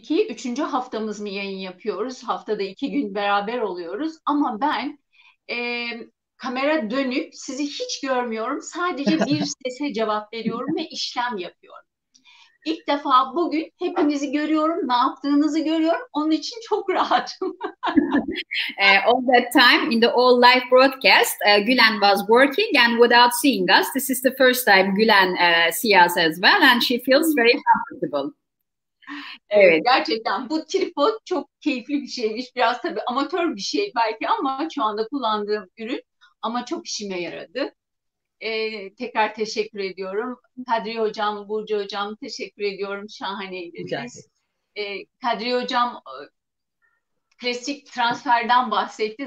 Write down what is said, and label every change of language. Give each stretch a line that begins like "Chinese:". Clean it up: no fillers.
Turkish: Üçüncü haftamız mı yayın yapıyoruz? Haftada iki gün beraber oluyoruz. Ama ben kamera dönüp sizi hiç görmüyorum. Sadece bir sese cevap veriyorum ve işlem yapıyorum. İlk defa bugün hepinizi görüyorum, ne yaptığınızı görüyorum. Onun için çok rahatım.
English: All that time in the all live broadcast, Gülen was working and without seeing us. This is the first time Gülen see us as well and she feels very comfortable.
Turkish: Evet. Gerçekten bu tripod çok keyifli bir şeymiş. Biraz tabii amatör bir şey belki ama şu anda kullandığım ürün ama çok işime yaradı. Tekrar teşekkür ediyorum. Kadri Hocam, Burcu Hocam teşekkür ediyorum. Şahaneydiniz. Kadri Hocam klasik transferden bahsetti.